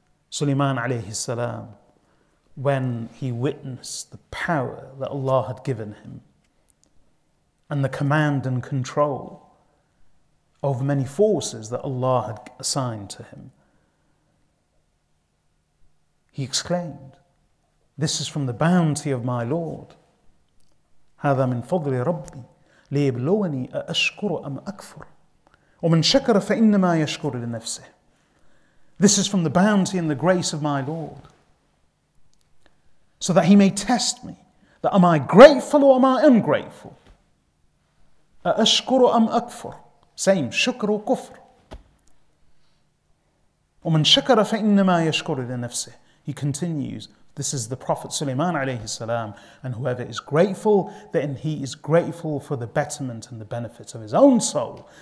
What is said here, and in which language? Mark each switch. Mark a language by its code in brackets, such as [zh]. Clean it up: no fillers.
[en] Sulaiman alayhi salam, when he witnessed the power that Allah had given him and the command and control over many forces that Allah had assigned to him, he exclaimed, "This is from the bounty of my Lord. [ar] هذا من فضل ربي ليبلوني أأشكر أم أكفر ومن شكر فإنما يشكر لنفسه. [en] This is from the bounty and the grace of my Lord, so that he may test me, that am I grateful or am I ungrateful? [ar] أأشكر أم أكفر. [en] Same, [ar] شكر وكفر. ومن شكر فإنما يشكر لنفسه. [en] He continues, this is the Prophet Sulaiman عليه السلام, and whoever is grateful, then he is grateful for the betterment and the benefit of his own soul.